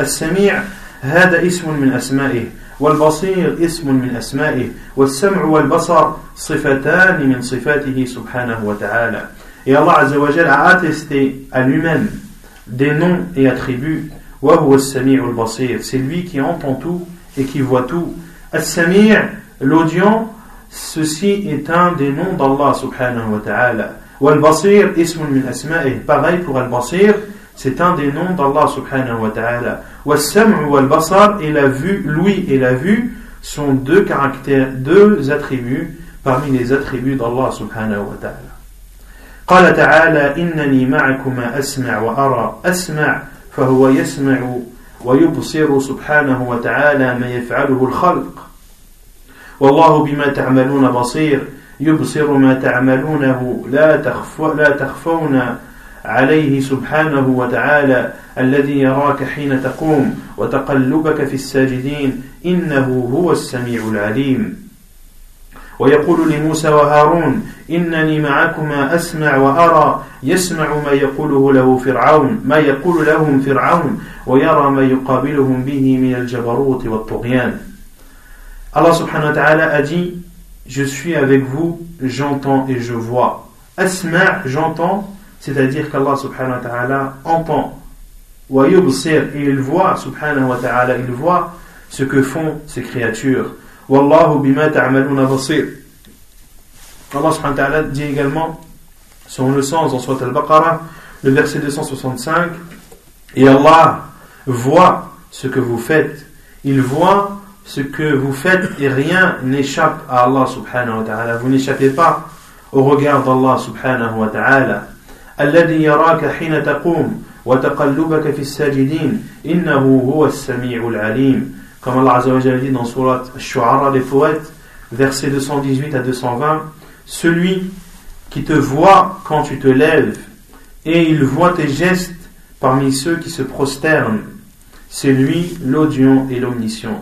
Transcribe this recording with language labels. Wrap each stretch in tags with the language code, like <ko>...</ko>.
<ar>السَّمِيعُ هَذَا اسْمٌ مِنْ أَسْمَائِهِ والبصير اسم من أسمائه والسمع والبصر صفتان من صفاته سبحانه وتعالى.</ar> <fr>Et Allah عز وجل a attesté à lui-même des noms et attributs.</fr> <ar>وهو السميع البصير,</ar> <fr>c'est lui qui entend tout et qui voit tout. السميع l'audient, ceci est un des noms d'Allah subhanahu wa ta'ala. Ou al-basir,</fr> <ar>ismun min asma'ih.</ar> <fr>Pareil pour al-basir, c'est un des noms d'Allah subhanahu wa ta'ala. Ou al-sam'u wa al-basar, et la vue, l'ouïe et la vue, sont deux caractères, deux attributs parmi les attributs d'Allah subhanahu wa ta'ala.</fr> <ar>قال تعالى إنني معكما أسمع وأرى أسمع فهو يسمع ويبصر سبحانه وتعالى ما يفعله الخلق والله بما تعملون بصير يبصر ما تعملونه لا تخفون عليه سبحانه وتعالى الذي يراك حين تقوم وتقلبك في الساجدين إنه هو السميع العليم ويقول لموسى وهارون إنني معكما أسمع وأرى يسمع ما يقوله له فرعون ما يقول لهم فرعون ويرى ما يقابلهم به من الجبروت والطغيان.</ar> <fr>الله سبحانه وتعالى a dit je suis avec vous, j'entends et je vois. أسمع, j'entends, c'est-à-dire qu'Allah سبحانه وتعالى entend. ويبصر, et il voit, سبحانه وتعالى, il voit ce que font ces créatures.</fr> <ar>والله بما تعملون بصير.</ar> <fr>الله سبحانه وتعالى dit également, selon le sens dans sourate al-Baqarah, le verset 265, et Allah voit ce que vous faites. Il voit ce que vous faites et rien n'échappe à Allah subhanahu wa ta'ala. Vous n'échappez pas au regard d'Allah subhanahu wa ta'ala.</fr> <ar>الذي يراك حين تقوم وتقلبك في الساجدين إنه هو السميع العليم.</ar> <fr>Comme Allah Azza wa Jalla dit dans Surat Al-Shu'ara, les poètes, versets 218 à 220, celui qui te voit quand tu te lèves, et il voit tes gestes parmi ceux qui se prosternent, c'est lui l'audient et l'omniscient.</fr>